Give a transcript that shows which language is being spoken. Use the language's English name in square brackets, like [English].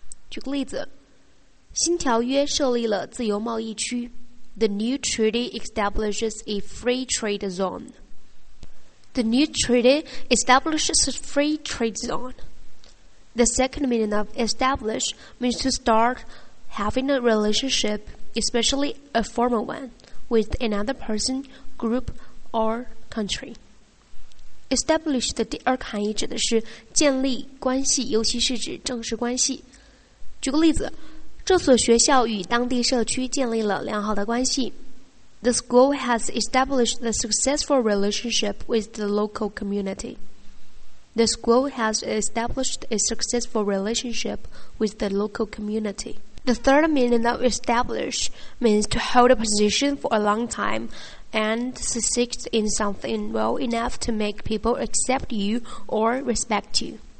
[Chinese] 举个例子，新条约设立了自由贸易区。 [English] The new treaty establishes a free trade zone. The new treaty establishes a free trade zone. The second meaning of establish means to start having a relationship, especially a formal one, with another person, group,or country. [Chinese] Establish 的第二个含义指的是建立关系，尤其是指正式关系。举个例子，这所学校与当地社区建立了良好的关系。 [English] The school has established a successful relationship with the local community. The school has established a successful relationship with the local community. The third meaning of establish means to hold a position for a long time and succeed in something well enough to make people accept you or respect you.